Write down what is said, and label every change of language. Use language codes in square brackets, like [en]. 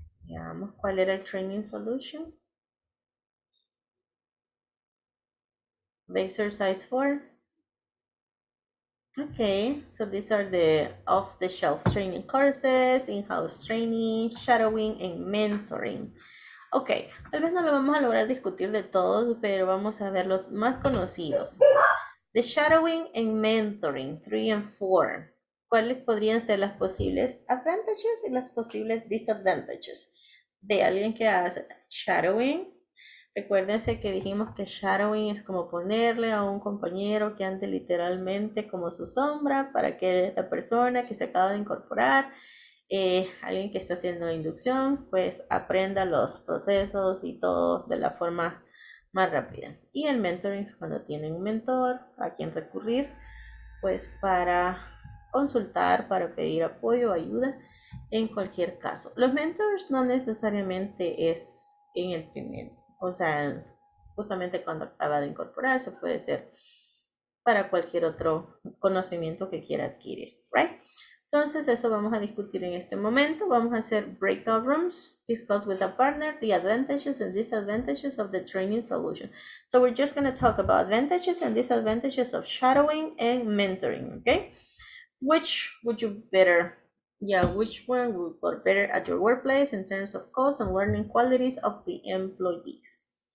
[es] Veamos cuál era el training solution. [en] Exercise 4. Okay, so these are the off-the-shelf training courses, in-house training, shadowing, and mentoring. [es] Okay, tal vez no lo vamos a lograr discutir de todos, pero vamos a ver los más conocidos. [en] The shadowing and mentoring, 3 and 4. [es] ¿Cuáles podrían ser las posibles advantages y las posibles disadvantages de alguien que hace shadowing? Recuérdense que dijimos que shadowing es como ponerle a un compañero que ande literalmente como su sombra para que la persona que se acaba de incorporar, alguien que está haciendo inducción, pues aprenda los procesos y todo de la forma más rápida. Y el mentoring es cuando tiene un mentor a quien recurrir, pues para consultar, para pedir apoyo, ayuda en cualquier caso. Los mentors no necesariamente es en el primer. O sea, justamente cuando acaba de incorporarse, puede ser para cualquier otro conocimiento que quiera adquirir, right? Entonces, eso vamos a discutir en este momento. Vamos a hacer [en] breakout rooms, discuss with a partner the advantages and disadvantages of the training solution. So, we're just going to talk about advantages and disadvantages of shadowing and mentoring, okay? Which would you better... Yeah, which one would work better at your workplace in terms of cost and learning qualities of the employees?